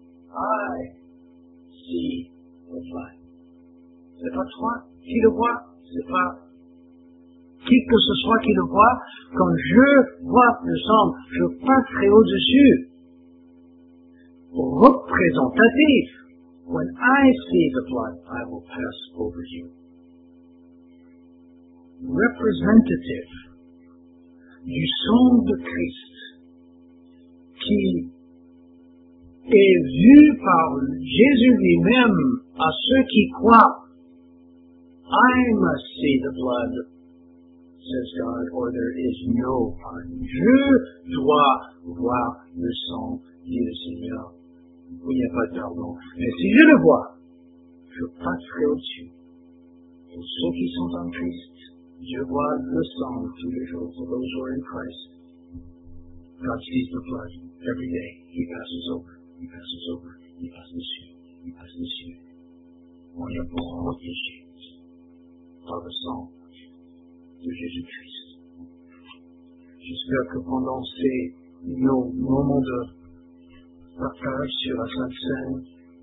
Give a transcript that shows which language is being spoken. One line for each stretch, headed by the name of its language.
English: I see the blood.
French: C'est pas toi qui le vois, c'est pas qui que ce soit qui le voit. Quand je vois le sang, je passerai au-dessus. Représentatif.
English: When I see the blood, I will pass over you.
French: Representative du sang de Christ qui est vu par Jésus lui-même à ceux qui croient.
English: I must see the blood, says God, or there is no pardon.
French: Je dois voir le sang, dit le Seigneur. Il n'y a pas de pardon. Mais si je le vois, je passerai au-dessus. Pour ceux qui sont en Christ, Dieu voit le sang tous les jours.
English: For those who are in Christ, God sees the blood every day. He passes over, he passes over, he passes dessus, he passes dessus.
French: On est protégé par le sang de Jésus-Christ. J'espère que pendant ces moments de partage sur la Sainte Cène,